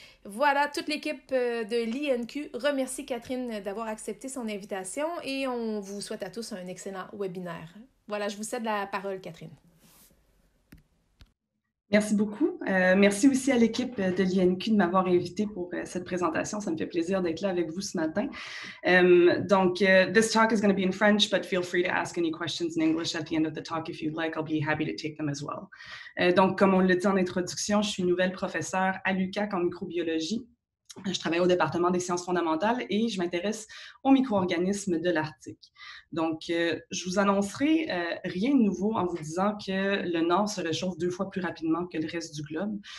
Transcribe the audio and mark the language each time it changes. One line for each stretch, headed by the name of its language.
French: Voilà, toute l'équipe de l'INQ remercie Catherine d'avoir accepté son invitation et on vous souhaite à tous un excellent webinaire. Voilà, je vous cède la parole, Catherine. Merci beaucoup. Merci aussi à l'équipe de l'INQ de m'avoir invité pour cette présentation. Ça me fait plaisir d'être là avec vous ce matin.
English: This talk is going to be in French, but feel free to ask any questions in English at the end of the talk if you'd like. I'll be happy to take them as well.
French: Donc, comme on l'a dit en introduction, je suis nouvelle professeure à l'UQAC en microbiologie. Je travaille au département des sciences fondamentales et je m'intéresse aux micro-organismes de l'Arctique. Donc, je vous annoncerai rien de nouveau en vous disant que le Nord se réchauffe deux fois plus rapidement que le reste du globe.